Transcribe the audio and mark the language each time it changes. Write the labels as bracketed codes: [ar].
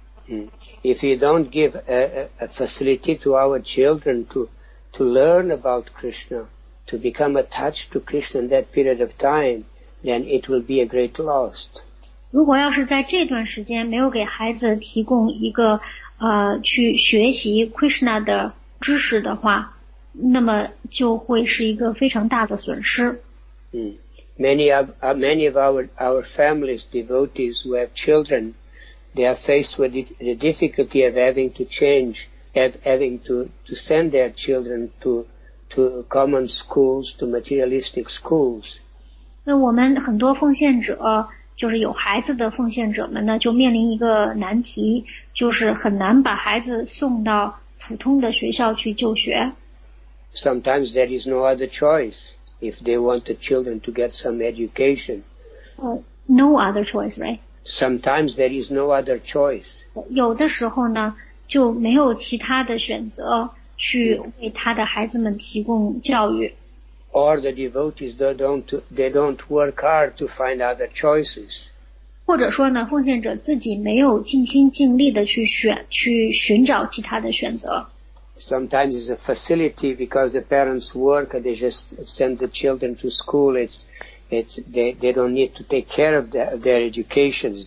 [en] If we don't give a facility to our children to learn about Krishna, to become attached to Krishna in that period of time, then it will be a great loss. [zh] 如果要是在这段时间没有给孩子提供一个 去学习 Krishna 的知识的话, 那么就会是一个非常大的损失。 [en] Many of our families, devotees who have children, they are faced with the difficulty of having to change, of having to send their children to common schools, to materialistic schools. [zh] 那我们很多奉献者, 就是有孩子的奉献者们呢, 就面临一个难题, 就是很难把孩子送到普通的学校去就学。 [en] Sometimes there is no other choice if they want the children to get some education. No other choice, right? Sometimes there is no other choice. [zh] 有的时候呢, 就没有其他的选择去为他的孩子们提供教育。 [en] Or the devotees, they don't work hard to find other choices. [zh] 或者说呢, 奉献者自己没有尽心尽力地去寻找其他的选择。 [en] Sometimes it's a facility because the parents work and they just send the children to school. They don't need to take care of their educations.